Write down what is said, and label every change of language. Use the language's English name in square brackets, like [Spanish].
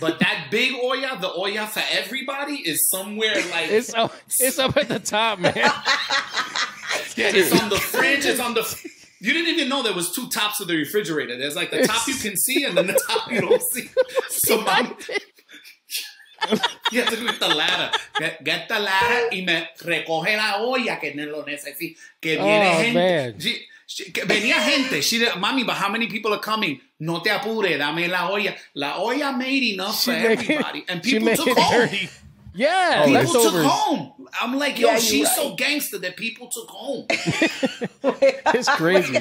[English] But that big olla, the olla for everybody, is somewhere like... It's up at the top, man. Yeah, it's on the fridge. It's on the... You didn't even know there was two tops of the refrigerator. There's like the top you can see and then the top you don't see. So mommy... You have to do it with the ladder. Get the ladder [Spanish] y me recoge la olla que no lo necesito. Que viene gente... Man. Venía gente. [English] She said, mommy, but how many people are coming? [Spanish] No te apure, dame la olla. [English] La olla made enough for everybody. And people took home. Dirty. Yeah. People took home. I'm like, yo, she's right. So gangster that people took home. It's crazy.